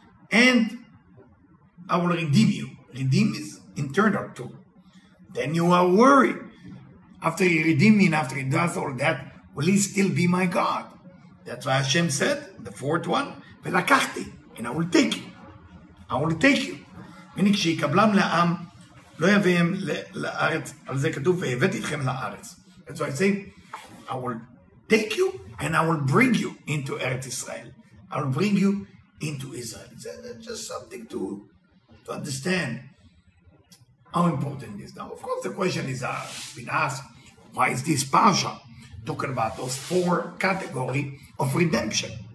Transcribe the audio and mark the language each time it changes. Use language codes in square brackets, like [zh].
[en] And I will redeem you. Redeem is internal too. Then you are worried. After he redeemed me and after he does all that, will he still be my God? That's why Hashem said, the fourth one, ולקחתי, and I will take you. I will take you. [he] מניק שיקבלם לעם, לא יביהם לארץ, על זה כתוב, והבאת אתכם לארץ. [en] That's why I say, I will take you and I will bring you into Eretz Israel. I will bring you into Israel. It's just something to understand. How important is now? Of course, the question is been asked, why is this parsha talking about those four categories of redemption?